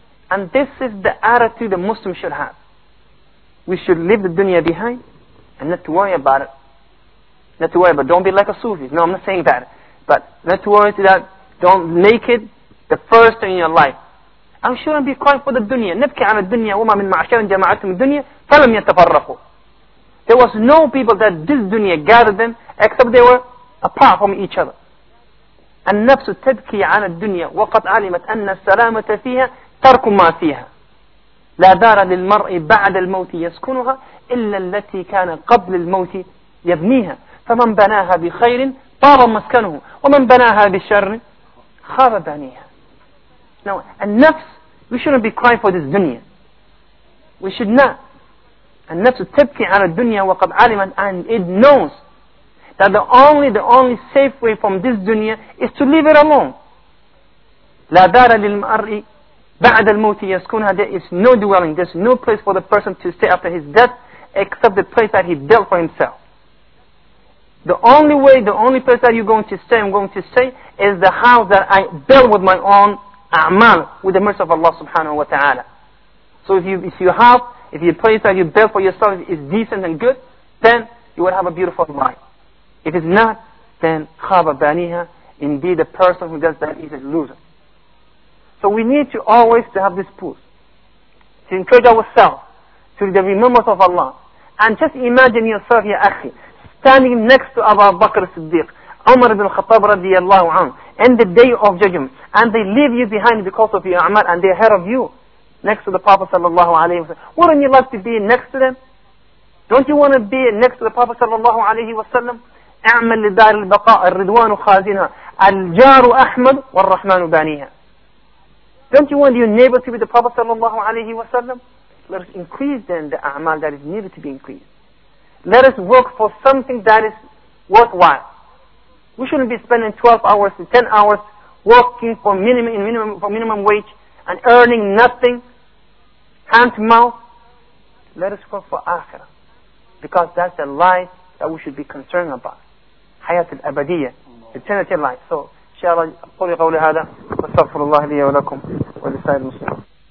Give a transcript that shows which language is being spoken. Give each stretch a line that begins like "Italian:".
English: And this is the attitude the Muslim should have. We should leave the dunya behind and not to worry about it. Not to worry about it. Don't be like a Sufi. No, I'm not saying that. But not to worry about that. Don't make it the first thing in your life. And shouldn't be crying for the dunya.
Arabic: نبكي على الدنيا وما من معشرين جماعتهم الدنيا فلم يتفرقوا.
English: There was no people that this dunya gathered them except they were apart from each other.
Arabic: النفس تبكي على الدنيا وقد علمت أن السلامة فيها ترك ما فيها. لا دار للمرء بعد الموت يسكنها إلا التي كان قبل الموت يبنيها. فمن بناها بخير طاب مسكنه ومن بناها بشر خاب بنيها.
English: Now, النفس, we shouldn't be crying for this dunya. We should not.
Arabic: النفس تبكي على الدنيا وقد علمت
English: and it knows that the only safe way from this dunya is to leave it alone.
Arabic: لا دار للمرء بعد الموت يسكنها.
English: There is no dwelling, there's no place for the person to stay after his death except the place that he built for himself. The only way, the only place that you're going to stay, I'm going to stay, is the house that I built with my own a'mal, with the mercy of Allah subhanahu wa ta'ala. So if your place that you built for yourself is decent and good, then you will have a beautiful life. If it's not, then
Arabic: khaba baniha,
English: indeed the person who does that is a loser. So we need to always to have this pulse, to encourage ourselves through the remembrance of Allah. And just imagine yourself, ya akhi, standing next to Abu Bakr Siddiq, Umar ibn Khattab radiallahu anhu, in the day of judgment, and they leave you behind because of your amal, and they're ahead of you, next to the Prophet sallallahu alayhi wa sallam. Wouldn't you like to be next to them? Don't you want to be next to the Prophet sallallahu alayhi wa sallam?
Arabic: اعمل لدار البقاء الرضوان خازنها الجار احمد والرحمن بانيها.
English: Don't you want your neighbor to be the Prophet sallallahu alayhi wa sallam? Let us increase then the a'mal that is needed to be increased. Let us work for something that is worthwhile. We shouldn't be spending 12 hours to 10 hours working for minimum wage and earning nothing, hand to mouth. Let us work for akhirah, because that's the life that we should be concerned about.
Arabic: حياه الابديه
English: eternity life. So
Arabic: إن شاء الله أقول قولي هذا وأستغفر الله لي ولكم ولسائر المسلمين.